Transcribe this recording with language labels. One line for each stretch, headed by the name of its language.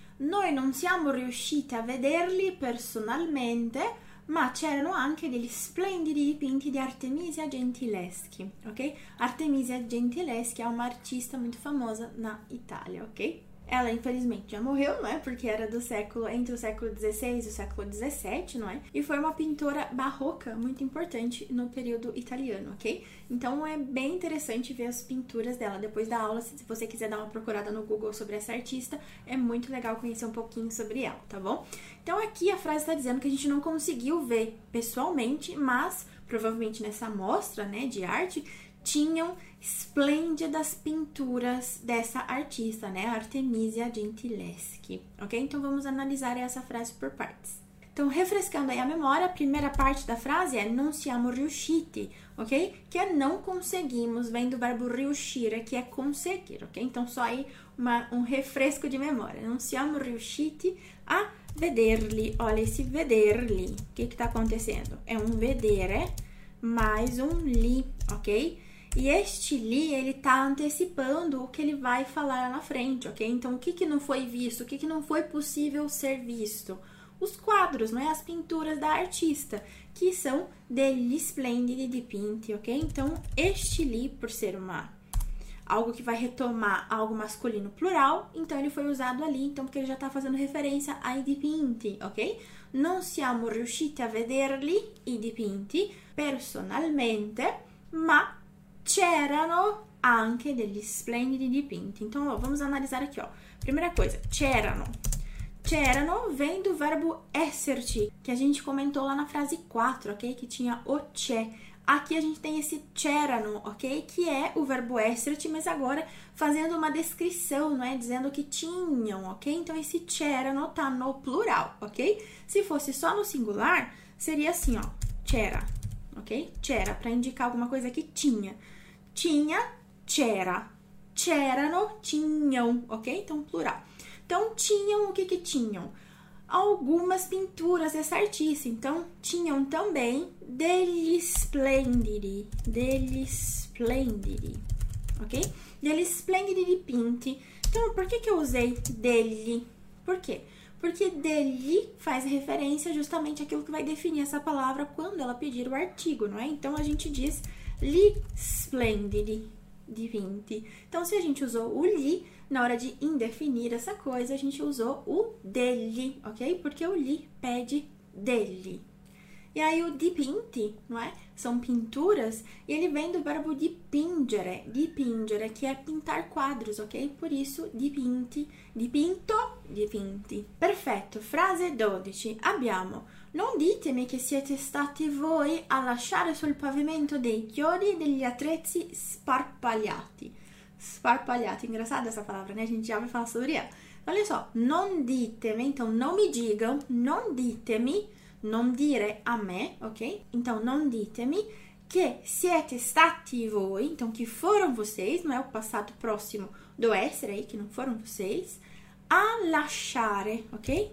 Italian: Noi non siamo riusciti a vederli personalmente, ma c'erano anche degli splendidi dipinti di Artemisia Gentileschi, ok? Artemisia Gentileschi è una artista molto famosa
Portuguese: na
Italian: Italia, ok?
Portuguese: Ela infelizmente já morreu, não é? Porque era do século entre o século XVI e o século XVII, não é? E foi uma pintora barroca muito importante no período italiano, ok? Então é bem interessante ver as pinturas dela. Depois da aula, se você quiser dar uma procurada no Google sobre essa artista, é muito legal conhecer um pouquinho sobre ela, tá bom? Então, aqui a frase está dizendo que a gente não conseguiu ver pessoalmente, mas provavelmente nessa mostra, né, de arte, tinham esplêndidas pinturas dessa artista, né, Artemisia Gentileschi. Ok? Então, vamos analisar essa frase por partes. Então, refrescando aí a memória, a primeira parte da frase é
Italian: non siamo riusciti,
Portuguese: ok? Que é não conseguimos, vem do verbo riuscire, que é conseguir, ok? Então, só aí um refresco de memória.
Italian: Non siamo riusciti a vederli.
Portuguese: Olha esse vederli. O que que tá acontecendo? É um vedere mais um li, ok? E este li, ele tá antecipando o que ele vai falar lá na frente, ok? Então, o que que não foi visto? O que que não foi possível ser visto? Os quadros, não é? As pinturas da artista, que são
Italian: degli splendidi dipinti,
Portuguese: ok? Então, este li, por ser uma algo que vai retomar algo masculino plural, então ele foi usado ali, então porque ele já está fazendo referência ai dipinti, ok?
Italian: Non siamo riusciti a vederli i dipinti personalmente, ma c'erano anche degli splendidi dipinti.
Portuguese: Então, ó, vamos analisar aqui, ó. Primeira coisa, c'erano. C'erano vem do verbo esserci, que a gente comentou lá na frase 4, ok? Que tinha o c'è. Aqui a gente tem esse c'erano, ok? Que é o verbo esserci, mas agora fazendo uma descrição, não é? Dizendo que tinham, ok? Então, esse c'erano tá no plural, ok? Se fosse só no singular, seria assim, ó. C'era, ok? C'era, para indicar alguma coisa que tinha. Tinha, c'era. C'erano, tinham, ok? Então, plural. Então, tinham o que que tinham? Algumas pinturas dessa artista. Então, tinham também degli splendidi.
Italian: Degli splendidi, ok? Degli splendidi dipinti.
Portuguese: Então, por que que eu usei degli? Por quê? Porque degli faz referência justamente àquilo que vai definir essa palavra quando ela pedir o artigo, não é? Então, a gente diz gli splendidi dipinti. Então, se a gente usou o gli na hora de indefinir essa coisa, a gente usou o degli, ok? Porque o gli pede degli. E aí, o dipinti, não é? São pinturas, e ele vem do verbo dipingere. Dipingere, que é pintar quadros, ok? Por isso, dipinti, dipinto, dipinti. Perfeito.
Italian: Frase 12. Abbiamo. Non ditemi che siete stati voi a lasciare sul pavimento dei chiodi e degli attrezzi sparpagliati.
Portuguese: Sparpagliati, engraçada essa palavra, né? A gente já vai falar sobre ela. Olha só, non ditemi, então não me digam,
Italian: non ditemi, non dire a me,
Portuguese: ok? Então,
Italian: non ditemi che siete stati voi,
Portuguese: então que foram vocês, não é o passato próximo do essere aí, que não foram vocês,
Italian: a lasciare,
Portuguese: ok?